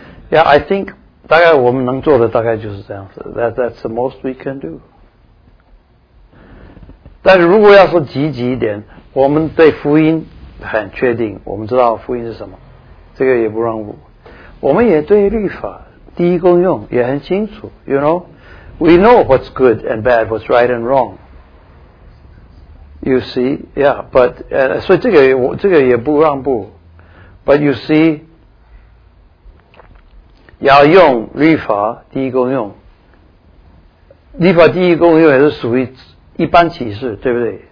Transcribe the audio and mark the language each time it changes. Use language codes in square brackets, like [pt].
[en] Yeah, I think [zh] 大概我们能做的大概就是这样子。 [en] That's the most we can do。 [zh] 但是如果要说积极一点，我们对福音很确定，我们知道福音是什么，这个也不让误。我们也对律法第一功用也很清楚 [en] ，You know, we know what's good and bad, what's right and wrong. You see, yeah, but [zh] 所以这个也不让步。 [en] But you see, [zh] 要用律法第一功用，律法第一功用也是属于一般启示，对不对？